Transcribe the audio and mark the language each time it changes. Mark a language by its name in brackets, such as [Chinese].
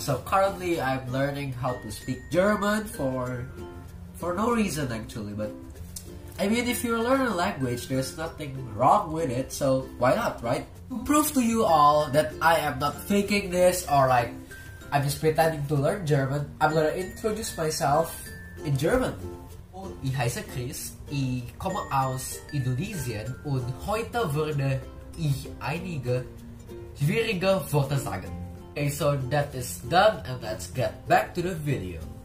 [English] So currently I'm learning how to speak German for no reason actually. But I mean, if you learn a language, there's nothing wrong with it. So why not, right? To prove to you all that I am not faking this or like I'm just pretending to learn German, I'm gonna introduce myself in German. [German] Ich heiße Chris, ich komme aus Indonesien und heute würde ich einige schwierige Worte sagen. [English] Okay, so that is done and let's get back to the video.